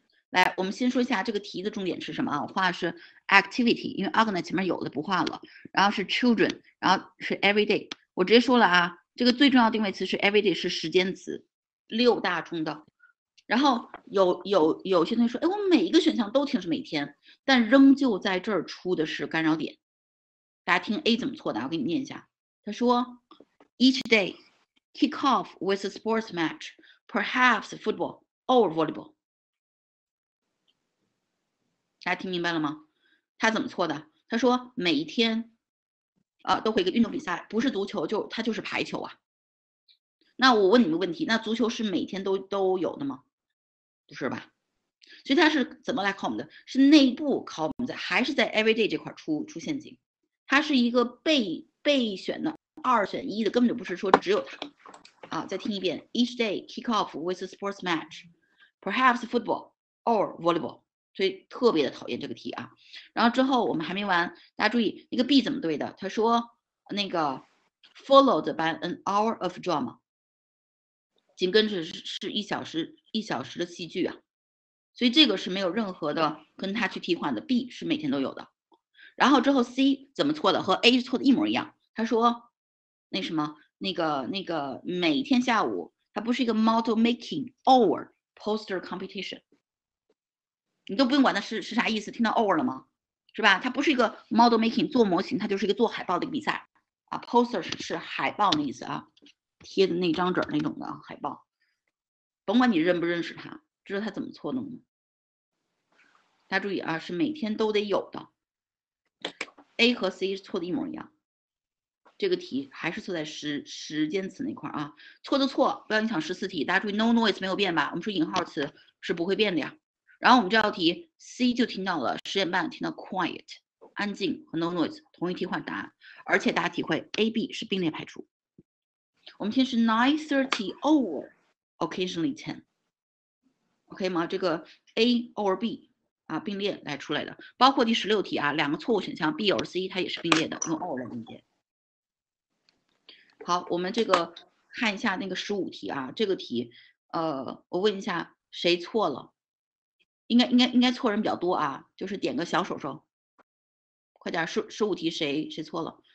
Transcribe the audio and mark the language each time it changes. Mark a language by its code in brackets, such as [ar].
[zh] 来，我们先说一下这个题的重点是什么啊，我画的是 activity， 因为 organize 前面有的不画了，然后是 children， 然后是 everyday， 我直接说了啊，这个最重要的定位词是 everyday， 是时间词六大中的。然后有些同学说，哎，我每一个选项都听是每天，但仍旧在这儿出的是干扰点。大家听 A 怎么错的，我给你念一下。他说 [en] ，Each day kick off with a sports match, perhaps football or volleyball。 [zh] 大家听明白了吗？他怎么错的？他说每一天，都会一个运动比赛，不是足球，就是排球啊。那我问你们问题，那足球是每天都有的吗？不是吧？所以它是怎么来考我们的？是内部考我们的，还是在 everyday 这块出陷阱？它是一个备选的二选一的，根本就不是说只有它啊。再听一遍 [en] ，Each day kick off with a sports match, perhaps football or volleyball。 [zh] 所以特别的讨厌这个题啊。然后之后我们还没完，大家注意那个 B 怎么对的？他说那个 [en] followed by an hour of drama。 [zh] 紧跟着是一小时的戏剧啊，所以这个是没有任何的跟他去替换的。B 是每天都有的，然后之后 C 怎么错的？和 A 是错的一模一样。他说那什么那个每天下午，它不是一个 [en] model making or poster competition， [zh] 你都不用管它是啥意思，听到 or 了吗？是吧？它不是一个 model making 做模型，它就是一个做海报的比赛啊。 poster 是海报的意思啊。贴的那张纸那种的海报，甭管你认不认识他，知道他怎么错的吗？大家注意啊，是每天都得有的。A 和 C 是错的一模一样，这个题还是错在时间词那块啊，错就错，不要影响14题。大家注意 ，no noise 没有变吧？我们说引号词是不会变的呀。然后我们这道题 C 就听到了10:30听到 quiet 安静和 no noise 同意替换答案，而且大家体会 A、B 是并列排除。我们听是 [en] 9:30 or occasionally 10 [zh] OK 吗？这个 A or B 啊并列来出来的，包括第16题啊，两个错误选项 B or C 它也是并列的，用 or 来并列。好，我们这个看一下那个15题啊，这个题我问一下谁错了，应该错人比较多啊，就是点个小手手，快点，15题谁错了？